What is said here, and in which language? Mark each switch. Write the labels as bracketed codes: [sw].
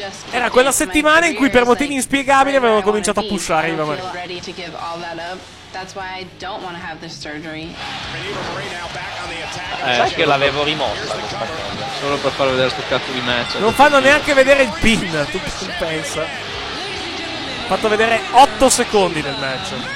[it] Era quella settimana in cui per motivi inspiegabili avevano cominciato a pushare Eva Marie. [en] That's why I don't want to have this surgery. [it] Sai che l'avevo rimossa questa cosa, solo per far vedere sto cazzo di match. Non fanno neanche vedere il pin, tu pensa. Fatto vedere 8 8 secondi del match.